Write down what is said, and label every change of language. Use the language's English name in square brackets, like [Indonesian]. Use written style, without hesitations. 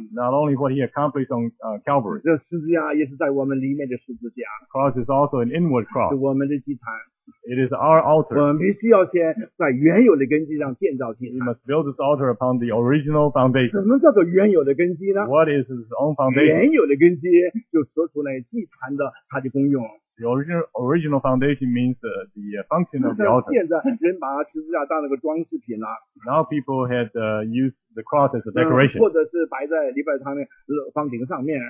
[English] Not only what he accomplished on Calvary. [Chinese] 这十字架也是在我们里面的十字架。 [English] The cross is also an inward cross. [Chinese] 是我们的祭坛。 [English] It is our altar. [Chinese] 我们必须要先在原有的根基上建造祭坛。 [English] We must build this altar upon the original foundation. [Chinese] 什么叫做原有的根基呢？ [English] What is its own foundation? [Chinese] 原有的根基就说出来祭坛的它的功用。 [English] The original foundation means the function of the altar. [Chinese] 现在人把十字架当了个装饰品了。 [English] Now people had used the cross as a decoration. [Chinese] 或者是摆在礼拜堂的房顶上面。